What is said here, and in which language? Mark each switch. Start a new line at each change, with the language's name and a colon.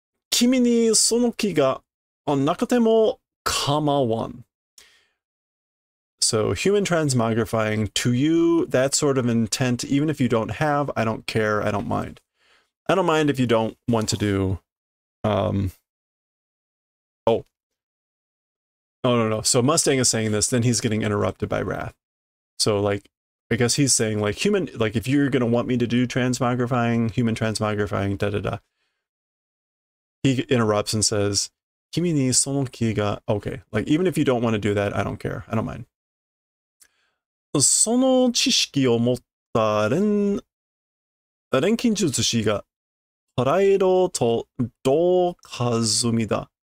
Japanese: 君にその気がなくても構わん。
English: So human transmogrifying, to you, that sort of intent, even if you don't have, I don't care, I don't mind. I don't mind if you don't want to do, No. So Mustang is saying this, then he's getting interrupted by Wrath. So, like, I guess he's saying, like, human, like, if you're going to want me to do transmogrifying, human transmogrifying, da-da-da. He interrupts and says,
Japanese: 君にその気が,
English: okay, like, even if you don't want to do that, I don't care. I don't mind.
Japanese: その知識を持った錬金術師が、プライドと同化済みだ。